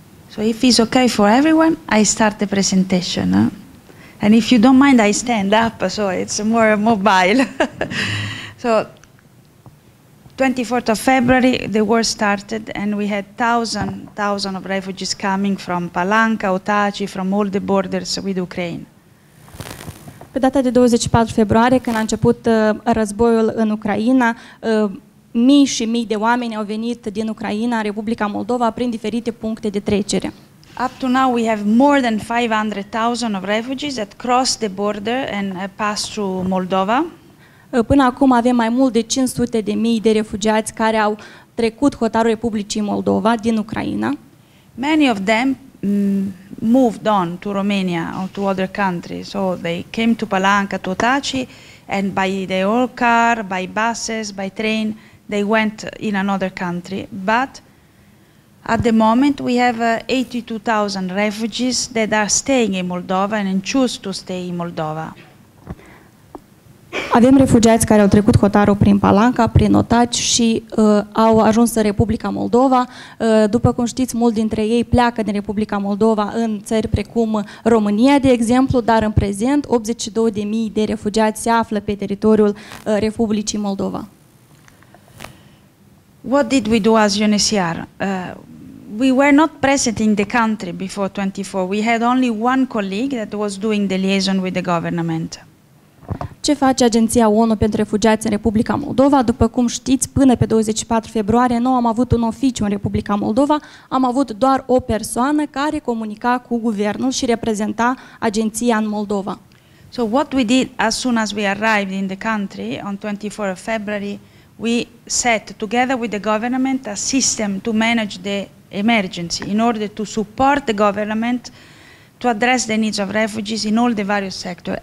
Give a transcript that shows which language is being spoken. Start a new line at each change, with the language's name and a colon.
English: So if it's okay for everyone, I start the presentation. And if you don't mind, I stand up, so it's more mobile. So, 24th of February, the war started, and we had thousands of refugees coming from Palanca, Otaci, from all the borders with Ukraine.
Romanian: Pe data de 24 februarie, când a început războiul în Ucraina, mii și mii de oameni au venit din Ucraina, Republica Moldova, prin diferite puncte de trecere.
English: Up to now we have more than 500,000 of refugees that crossed the border and passed through Moldova.
Romanian: Până acum avem mai mult de 500,000 de refugiați care au trecut hotarul Republicii Moldova din Ucraina.
English: Many of them moved on to Romania or to other countries. So they came to Palanca, to Otaci, and by their own car, by buses, by train, they went in another country. But at the moment, we have 82,000 refugees that are staying in Moldova and choose to stay in Moldova.
Romanian: Avem refugiați care au trecut hotarul prin Palanca, prin Otaci și au ajuns în Republica Moldova. După cum știți, mulți dintre ei pleacă din Republica Moldova în țări precum România, de exemplu, dar în prezent 82,000 de refugiați se află pe teritoriul Republicii Moldova.
English: What did we do as UNHCR? We were not present in the country before 24. We had only one colleague that was doing the liaison with the government.
Romanian: Ce face Agenția ONU pentru Refugiați în Republica Moldova? După cum știți, până pe 24 februarie nu am avut un oficiu în Republica Moldova, am avut doar o persoană care comunica cu guvernul și reprezenta agenția în Moldova.
English: So what we did as soon as we arrived in the country on 24 February, we set together with the government a system to manage the emergency in order to support the government to address the needs of refugees in all the various sectors.